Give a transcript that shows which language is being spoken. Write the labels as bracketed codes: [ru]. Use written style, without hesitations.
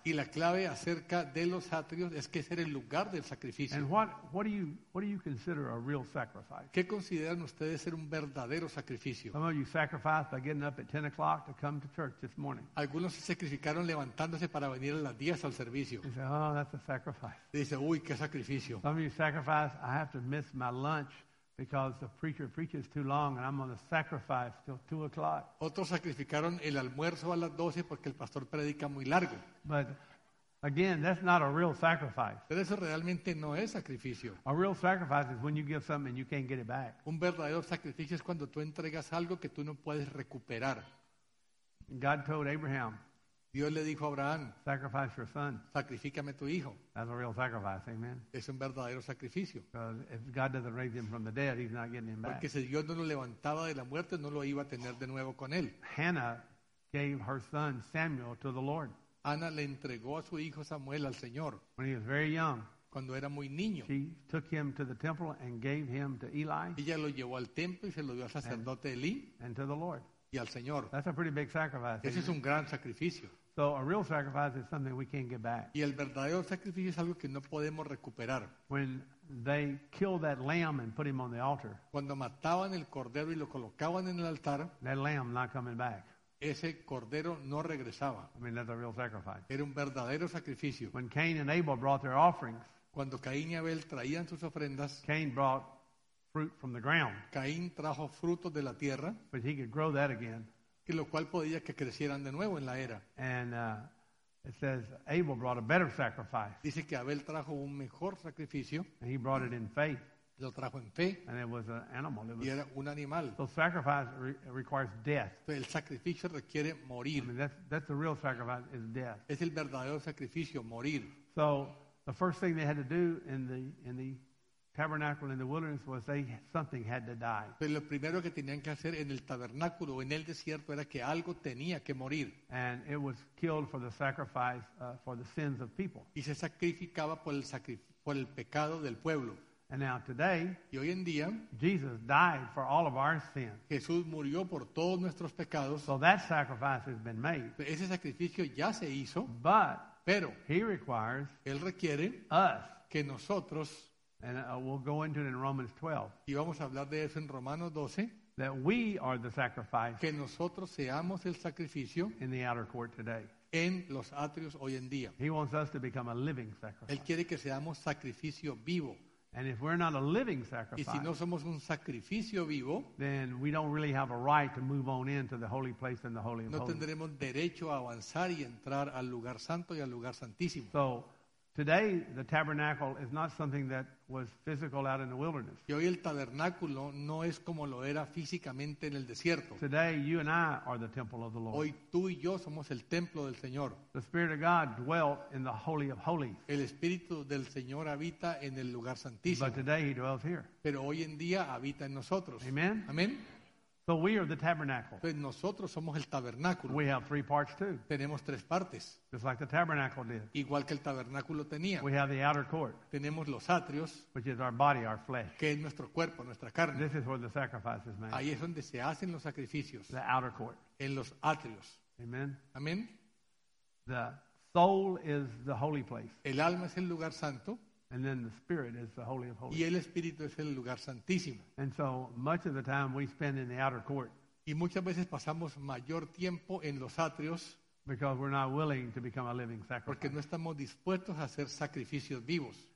[es] Y la clave acerca de los atrios es que era el lugar del sacrificio. [en] And what do you consider a real sacrifice? [es] ¿Qué consideran ustedes ser un verdadero sacrificio? [en] Some of you sacrificed by getting up at 10 o'clock to come to church this morning. [es] Algunos se sacrificaron levantándose para venir a las 10 al servicio. [en] You say, oh, that's a sacrifice. [es] Dice, uy, qué sacrificio. [en] Some of you sacrificed, I have to miss my lunch. Because the preacher preaches too long and I'm going to sacrifice till 2 o'clock. [es] Otros sacrificaron el almuerzo a las 12 porque el pastor predica muy largo. [en] But again, that's not a real sacrifice. [es] Pero eso realmente no es sacrificio. [en] A real sacrifice is when you give something and you can't get it back. [es] Un verdadero sacrificio es cuando tú entregas algo que tú no puedes recuperar. [en] God told Abraham. [es] Dios le dijo a Abraham. [en] Sacrifice your son. [es] Sacrifícame tu hijo. [en] That's a real sacrifice, amen. [es] Es un verdadero sacrificio. [en] Because if God doesn't raise him from the dead, he's not getting him back. [es] Porque si Dios no lo levantaba de la muerte, no lo iba a tener de nuevo con él. [en] Hannah gave her son Samuel to the Lord. [es] Ana le entregó a su hijo Samuel al Señor. [en] When he was very young. [es] Cuando era muy niño. [en] She took him to the temple and gave him to Eli. [es] Ella lo llevó al templo y se lo dio al sacerdote Eli. [en] And to the Lord. [es] Y al Señor. [en] That's a pretty big sacrifice. [es] Ese es un gran sacrificio. [en] So a real sacrifice is something we can't get back. [es] Y el verdadero sacrificio es algo que no podemos recuperar. [en] When they killed that lamb and put him on the altar. [es] Cuando mataban el cordero y lo colocaban en el altar. [en] That lamb not coming back. [es] Ese cordero no regresaba. [en] I mean, that's a real sacrifice. [es] Era un verdadero sacrificio. [en] When Cain and Abel brought their offerings. [es] Cuando Caín y Abel traían sus ofrendas. [en] Cain brought fruit from the ground. [es] Caín trajo frutos de la tierra. [en] But he could grow that again. [es] Y lo cual podía que crecieran de nuevo en la era. [en] And it says Abel brought a better sacrifice. [es] Dice que Abel trajo un mejor sacrificio. [en] And he brought it in faith. [es] Lo trajo en fe. [en] And it was an animal. It [es] y era un animal. [en] So sacrifice requires death. [es] El sacrificio requiere morir. [en] I mean, that's the real sacrifice is death. [es] Es el verdadero sacrificio, morir. [en] So the first thing they had to do in the tabernacle in the wilderness was something had to die. [es] Pero lo primero que tenían que hacer en el tabernáculo en el desierto era que algo tenía que morir. [en] And it was killed for the sacrifice for the sins of people. [es] Y se sacrificaba por el pecado del pueblo. [en] And now today, [es] y hoy en día, [en] Jesus died for all of our sins. [es] Jesús murió por todos nuestros pecados. [en] So that sacrifice has been made. [es] Ese sacrificio ya se hizo. [en] But [es] pero [en] he requires [es] él requiere [en] us [es] que nosotros, [en] and we'll go into it in Romans 12. [es] Y vamos a hablar de eso en Romanos 12. [en] That we are the sacrifice, [es] que nosotros seamos el sacrificio, [en] in the outer court today, [es] en los atrios hoy en día. [en] He wants us to become a living sacrifice. [es] Él quiere que seamos sacrificio vivo. [en] And if we're not a living sacrifice, [es] y si no somos un sacrificio vivo, [en] then we don't really have a right to move on into the holy place and the holy of [es] holies. No tendremos derecho a avanzar y entrar al lugar santo y al lugar santísimo. [en] So today the tabernacle is not something that was physical out in the wilderness. [es] Y hoy el tabernáculo no es como lo era físicamente en el desierto. [en] Today you and I are the temple of the Lord. [es] Hoy tú y yo somos el templo del Señor. [en] The Spirit of God dwelt in the holy of holies. [es] El Espíritu del Señor habita en el lugar santísimo. [en] But today he dwells here. [es] Pero hoy en día habita en nosotros. [en] Amen. [es] Amen. [en] So we are the tabernacle. [es] Pues nosotros somos el tabernáculo. [en] We have three parts too. [es] Tenemos tres partes. [en] Just like the tabernacle did. [es] Igual que el tabernáculo tenía. [en] We have the outer court. [es] Tenemos los atrios. [en] Which is our body, our flesh. [es] Que es nuestro cuerpo, nuestra carne. [en] This is where the sacrifice is made. [es] Ahí es donde se hacen los sacrificios. [en] The outer court. [es] En los atrios. [en] Amen. [es] Amen. [en] The soul is the holy place. [es] El alma es el lugar santo. [en] And then the spirit is the holy of holies. [es] Y el espíritu es el lugar santísimo. [en] And so much of the time we spend in the outer court. [es] Y muchas veces pasamos mayor tiempo en los atrios. [en] Because we're not willing to become a living sacrifice. [es] Porque no estamos dispuestos a hacer sacrificios vivos.